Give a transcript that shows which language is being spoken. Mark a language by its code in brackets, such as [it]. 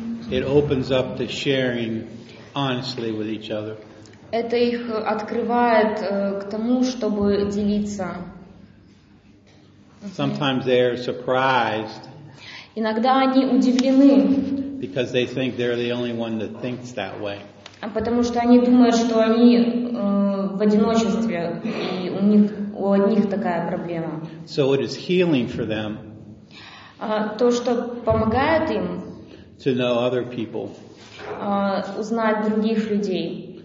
[en] It opens up to sharing honestly with each other. [ru] Это их открывает к тому, чтобы делиться. [en] Sometimes they are surprised. [ru] Иногда они удивлены. [en] Because they think they're the only one that thinks that way. [ru] Потому что они думают, что они в одиночестве и у одних такая проблема. [en] So it is healing for them. [ru] То, что помогает им. [en] To know other people. [ru] Узнать других людей.